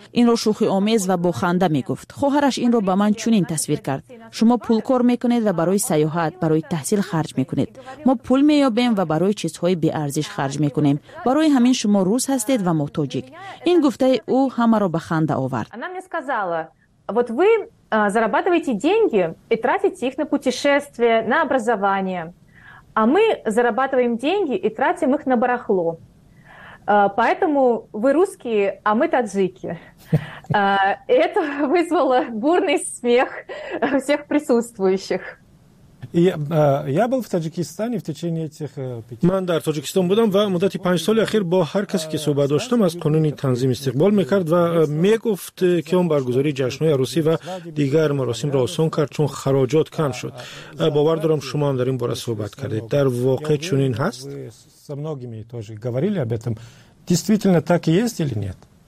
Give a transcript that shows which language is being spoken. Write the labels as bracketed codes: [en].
[fa] این را شوخی آمیز و با خنده می گفت. خواهرش این را به من چنین تصویر کرد. شما پول کار می کنید و برای سیاحت، برای تحصیل خرج می کنید. ما پول می یابیم و برای چیزهای بی ارزش خرج می کنیم. برای همین شما روس هستید و ما تاجیک. این گفته او همه را به خنده آورد. [ru] انا мне сказала: "Вот вы зарабатываете деньги и тратите их на путешествия, на образование. А мы зарабатываем деньги и тратим их на барахло". Поэтому вы русские, а мы таджики. Это вызвало бурный смех всех присутствующих. Я был в Таджикистане в течение этих 5 [fa] من در تاجیکستان بودم و مدت 5 سال اخیر با هر کسی که صحبت داشتم از قانون تنظیم استقبال میکرد و میگفت که اون برگزاری جشن‌های عروسی و دیگر مراسم را آسان کرد چون خراجات کم شد. باور دارم شما هم در این باره صحبت کردید. در واقع چنین هست؟ [ru] со многими тоже говорили об этом. Действительно так и есть или нет?